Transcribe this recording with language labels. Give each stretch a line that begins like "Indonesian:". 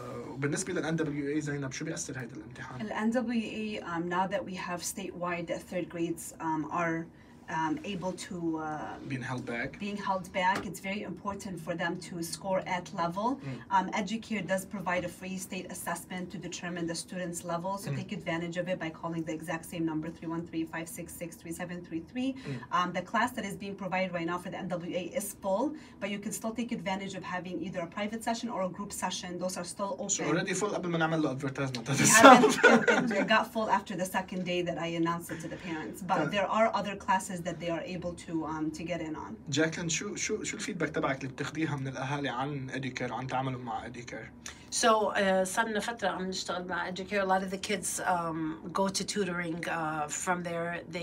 Arabic: وبالنسبة للـ NWA زينب شو بيأثر هيدا الامتحان؟
English: الـ NWA now that we have statewide the third grades are able to being held back it's very important for them to score at level. EduCare does provide a free state assessment to determine the student's level so take advantage of it by calling the exact same number 313-566-3733. The class that is being provided right now for the NWA is full but you can still take advantage of having either a private session or a group session. Those are still open. So already full
Arabic: قبل ما نعمل له advertisement
English: it got full after the second day that I announced it to the parents but there are other classes that they are able to get in on.
Arabic: Jacqueline, شو الفيدباك تبعك اللي بتاخديها من الأهالي عن EduCare عن تعاملهم مع EduCare؟
English: So
Arabic: صار لنا فترة عم نشتغل مع
English: EduCare. A lot of the kids go to tutoring from there.